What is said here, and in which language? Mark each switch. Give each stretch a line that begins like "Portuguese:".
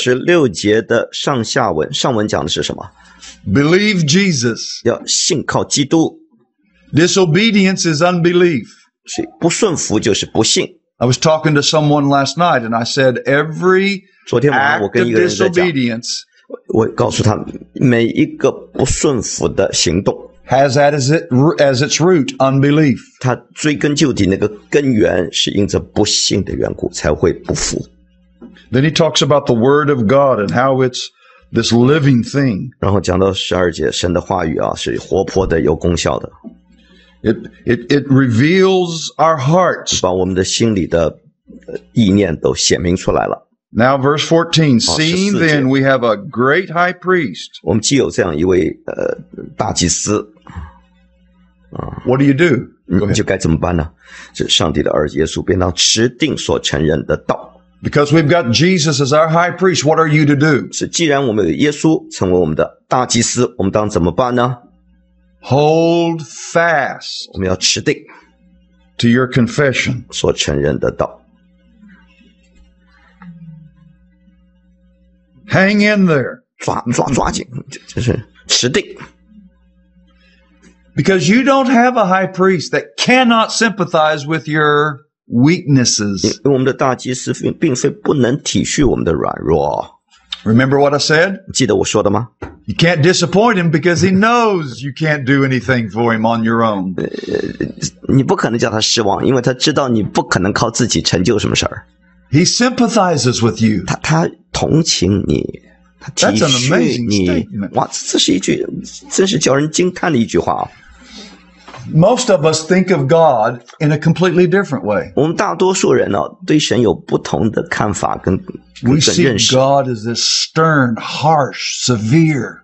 Chinese: 16节的上下文，上文讲的是什么？
English: Believe Jesus.
Chinese: 要信靠基督。
English: Disobedience is unbelief.
Chinese: 不顺服就是不信。
English: I was talking to someone last night and I said every act of disobedience
Chinese: 我告诉他每一个不顺服的行动
English: Has as its root unbelief.
Chinese: 它追根究底那个根源是因着不信的缘故才会不服。
English: Then he talks about the word of God and how it's this living thing.
Chinese: 然后讲到十二节，神的话语啊是活泼的，有功效的。
English: It reveals our hearts.
Chinese: 把我们的心里的意念都显明出来了。
English: Now verse 14, seeing then we have a great high priest.
Chinese: 我们既有这样一位大祭司。
English: What do you do?
Chinese: 你就该怎么办呢？是上帝的儿子耶稣便当持定所承认的道。
English: Because we've got Jesus as our high priest, what are you to do?
Chinese: 是既然我们有耶稣成为我们的大祭司，我们当怎么办呢？
English: Hold fast.
Chinese: 我们要持定。
English: To your confession.
Chinese: 所承认的道。
English: Hang in there.
Chinese: 抓紧，就是持定。
English: Because you don't have a high priest that cannot sympathize with your weaknesses.
Chinese: 我们的大祭司并非不能体恤我们的软弱。
English: Remember what I said?
Chinese: 记得我说的吗？
English: You can't disappoint him because he knows you can't do anything for him on your own.
Chinese: 你不可能叫他失望，因为他知道你不可能靠自己成就什么事儿。
English: He sympathizes with you.
Chinese: 他同情你，他体恤你。
English: That's an amazing statement.
Chinese: 哇，这是一句，真是叫人惊叹的一句话啊。
English: Most of us think of God in a completely different way.
Chinese: 我们大多数人呢，对神有不同的看法跟认识。
English: We see God as this stern, harsh, severe.